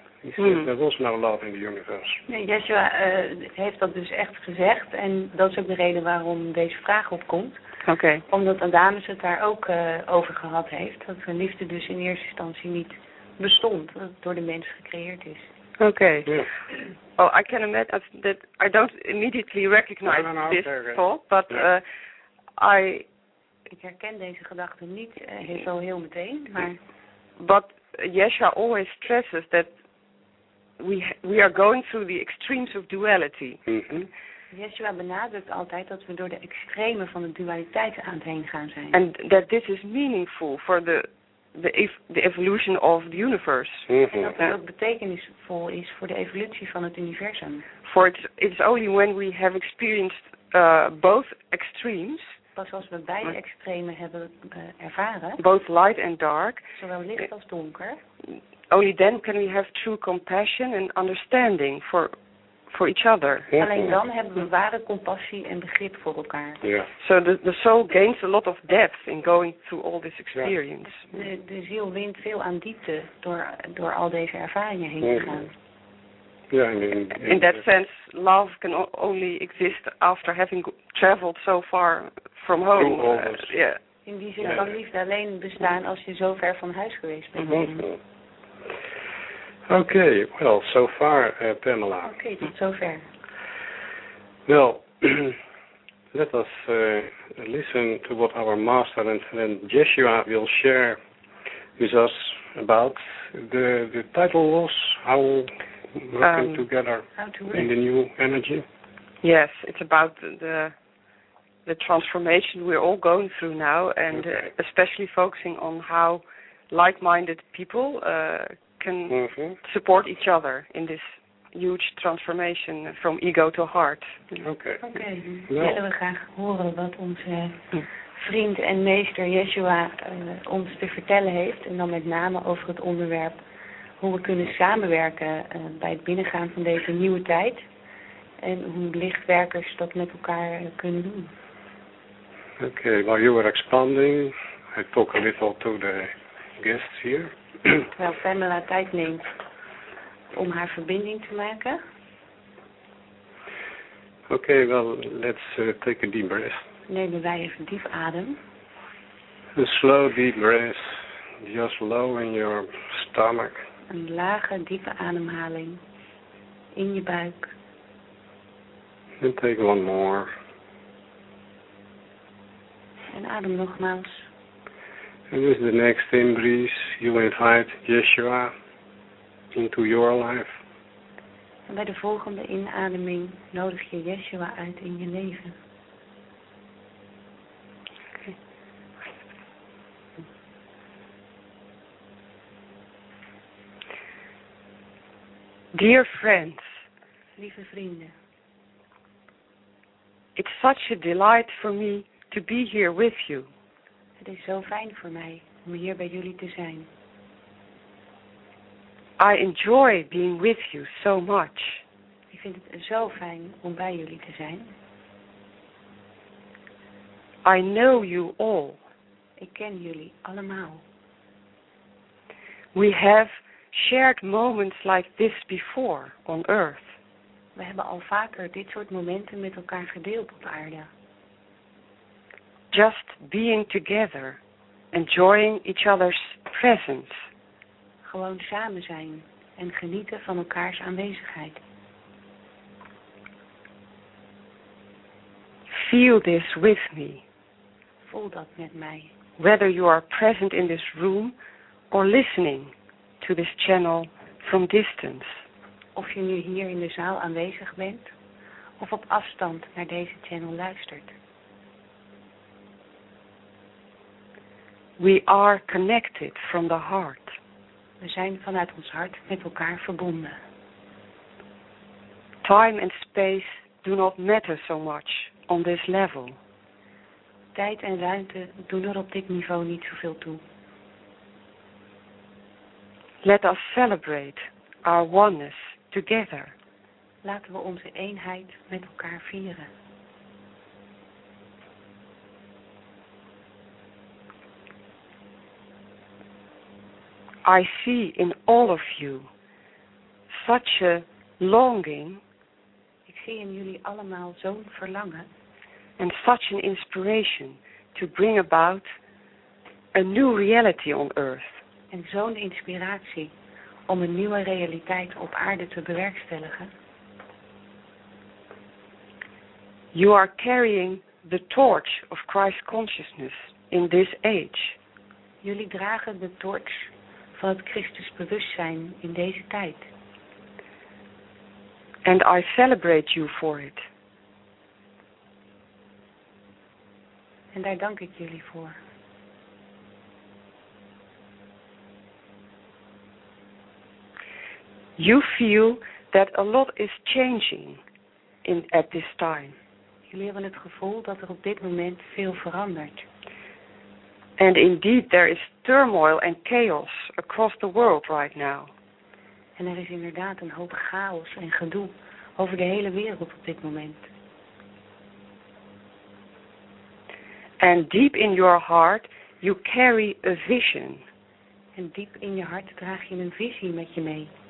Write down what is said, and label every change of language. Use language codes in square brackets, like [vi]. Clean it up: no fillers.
[en] He said, there was no love in the universe. [nl] Nee, Yeshua heeft dat dus echt gezegd. En dat is ook de reden waarom deze vraag opkomt. [en] Okay. [nl] Omdat Adamus het daar ook over gehad heeft. Dat de liefde dus in eerste instantie niet bestond. Dat het door de mens gecreëerd is. [en] Okay. Yeah. Oh, I can admit that I don't immediately recognize this thought. But [nl] ik herken deze gedachte niet heel meteen. Maar [en] but Yeshua always stresses that We are going through the extremes of duality. Mm-hmm. [nl] Yeshua benadrukt altijd dat we door de extremen van de dualiteit aan het heen gaan zijn. [en] And that this is meaningful for the evolution of the universe. Mm-hmm. [nl] En dat het betekenisvol is voor de evolutie van het universum. [en] For it's only when we have experienced both extremes. [nl] Pas als we beide extremen hebben ervaren. [en] Both light and dark. [nl] Zowel licht als donker. [en] Only then can we have true compassion and understanding for each other. [nl] Alleen dan hebben we ware compassie en begrip voor elkaar. [en] Yeah. So the soul gains a lot of depth in going through all this experience. Yeah. [nl] De ziel wint veel aan diepte door al deze ervaringen heen te gaan. [en] Yeah, in that sense, love can only exist after having traveled so far from home. [nl] In die zin kan liefde alleen bestaan als je zo ver van huis geweest bent. [en] Mm-hmm. Okay, well, so far, Pamela. [nl] Okay, tot zover. [en] Well, let us listen to what our master and friend Yeshua will share with us about. The title was How Working Together in the New Energy. Yes, it's about the transformation we're all going through now, and especially focusing on how like-minded people can support each other in this huge transformation from ego to heart. Okay. Okay. Well. [nl] Willen we graag horen wat onze vriend en meester Yeshua ons te vertellen heeft, en dan met name over het onderwerp hoe we kunnen samenwerken bij het binnengaan van deze nieuwe tijd en hoe lichtwerkers dat met elkaar kunnen doen. [en] Okay, while you were expanding, I talk a little to the guests here. [nl] Terwijl Pamela tijd neemt om haar verbinding te maken. [en] Okay, well, let's take a deep breath. [nl] Nemen wij even diep adem. [en] A slow deep breath, just low in your stomach. [nl] Een lage diepe ademhaling in je buik. [en] And take one more. [nl] En adem nogmaals. [en] And with the next in-breath, you invite Yeshua into your life. [nl] En bij de volgende inademing nodig je Yeshua uit in je leven. [en] Dear friends, [nl] lieve vrienden, [en] it's such a delight for me to be here with you. [nl] Het is zo fijn voor mij om hier bij jullie te zijn. [en] I enjoy being with you so much. [nl] Ik vind het zo fijn om bij jullie te zijn. [en] I know you all. [nl] Ik ken jullie allemaal. [en] We have shared moments like this before on Earth. [nl] We hebben al vaker dit soort momenten met elkaar gedeeld op aarde. [en] Just being together, enjoying each other's presence. [nl] Gewoon samen zijn en genieten van elkaars aanwezigheid. [en] Feel this with me. [nl] Voel dat met mij. [en] Whether you are present in this room or listening to this channel from distance. [nl] Of je nu hier in de zaal aanwezig bent of op afstand naar deze channel luistert. [en] We are connected from the heart. [nl] We zijn vanuit ons hart met elkaar verbonden. [en] Time and space do not matter so much on this level. [nl] Tijd en ruimte doen er op dit niveau niet zoveel toe. [en] Let us celebrate our oneness together. [nl] Laten we onze eenheid met elkaar vieren. [en] I see in all of you such a longing. [nl] Ik zie in jullie allemaal zo'n verlangen. [en] And such an inspiration to bring about a new reality on Earth. [nl] En zo'n inspiratie om een nieuwe realiteit op aarde te bewerkstelligen. [en] You are carrying the torch of Christ consciousness in this age. [nl] Jullie dragen de torch van het Christus bewustzijn in deze tijd. [en] And I celebrate you for it. [nl] En daar dank ik jullie voor. [en] You feel that a lot is changing at this time. [nl] Jullie hebben het gevoel dat er op dit moment veel verandert. [en] And indeed there is turmoil and chaos across the world right now. [nl] En er is inderdaad een hoop chaos en gedoe over de hele wereld op dit moment. [en] And deep in your heart you carry a vision. [nl] En diep in je hart draag je een visie met je mee.